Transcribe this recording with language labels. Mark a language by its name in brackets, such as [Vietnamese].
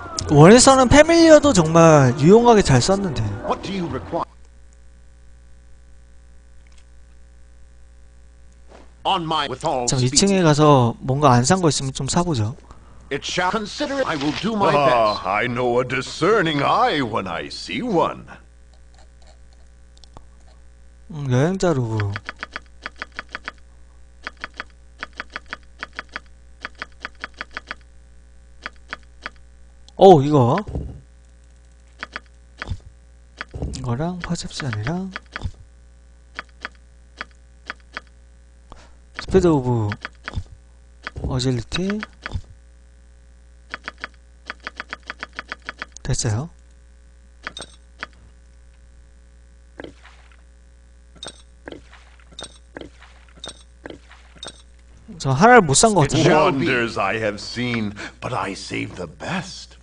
[Korean] 원에서는 패밀리어도 정말 유용하게 잘 썼는데. 자, 2층에 가서 뭔가 안 산 거 있으면 좀 사보죠. [English] It shall consider it. I will do my best. I know a discerning eye when I see one. [Korean] 여행자로. 오, 이거 이거랑 퍼셉션이랑 스피드 오브 어질리티 됐어요. 저 하나를 못 산 거 같은데. [English] Wonders I have seen, but I save the best.